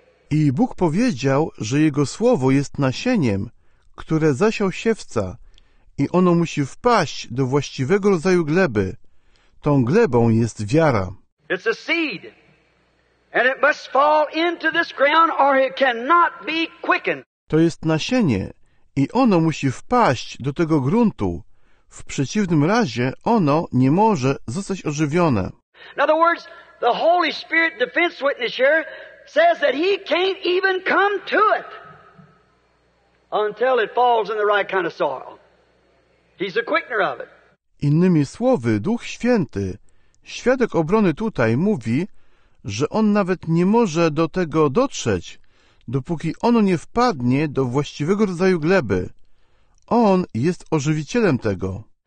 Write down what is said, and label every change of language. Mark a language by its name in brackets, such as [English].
[Polish] I Bóg powiedział, że Jego słowo jest nasieniem, które zasiał siewca, i ono musi wpaść do właściwego rodzaju gleby. Tą glebą jest wiara. [English] It's a seed. And it must fall into this ground or it cannot be quickened. [Polish] To jest nasienie i ono musi wpaść do tego gruntu. W przeciwnym razie ono nie może zostać ożywione. [English] In other words, the Holy Spirit defense witness here says that he can't even come to it until it falls in the right kind of soil. He's the quickener of it. [Polish] Innymi słowy, Duch Święty, świadek obrony tutaj mówi, że on nawet nie może do tego dotrzeć, dopóki ono nie wpadnie do właściwego rodzaju gleby. On jest ożywicielem tego.